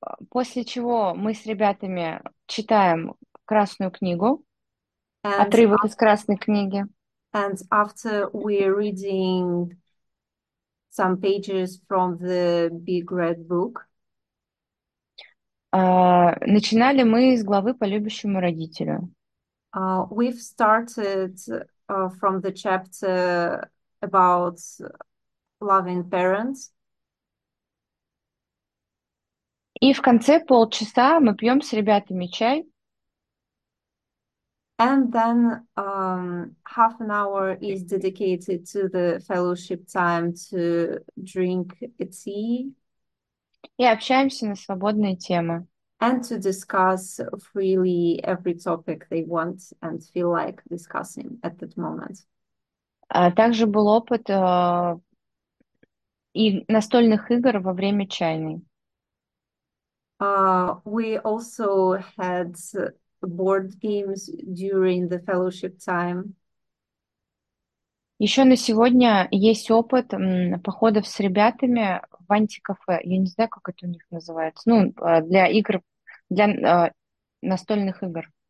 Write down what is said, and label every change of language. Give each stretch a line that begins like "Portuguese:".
Russian: После чего мы с ребятами читаем Красную книгу,
English: And
Russian: отрывок из Красной книги.
English: after we're reading some pages from the Big Red Book.
Russian: Начинали мы с главы «По любящему родителю».
English: We've started from the chapter about loving parents.
Russian: И в конце полчаса мы пьем с ребятами чай.
English: And then half an hour is dedicated to the fellowship time to drink a tea
Russian: И общаемся на свободные темы.
English: and to discuss freely every topic they want and feel like discussing at that moment.
Russian: А также был опыт и настольных игр во время чайной.
English: We also had board games during the fellowship time.
Russian: Еще на сегодня есть опыт походов с ребятами в антикафе. Я не знаю, как это у них называется. Ну, для игр, для настольных игр.